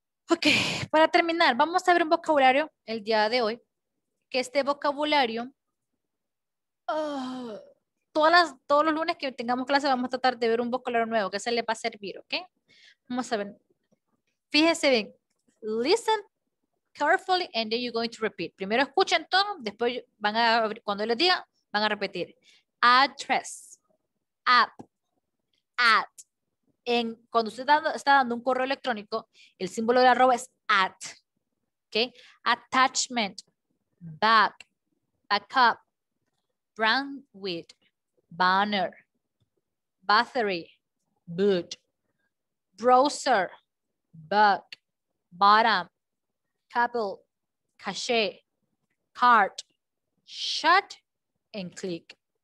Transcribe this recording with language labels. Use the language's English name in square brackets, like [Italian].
[Spanish] Ok, para terminar, vamos a ver un vocabulario el día de hoy. Que este vocabulario, todos los lunes que tengamos clase, vamos a tratar de ver un vocabulario nuevo que se le va a servir, ok. Vamos a ver. Fíjense bien. [English] Listen carefully and then you're going to repeat. [Spanish] Primero escuchen todo, después van a, cuando les diga, van a repetir. [English] Address, app, at. [Spanish] En, cuando usted está dando un correo electrónico, el símbolo de arroba es at. [English] Okay? Attachment, back, backup, bandwidth, banner, battery, boot, browser, bug, bottom, cable, cache, cart, shut, and click.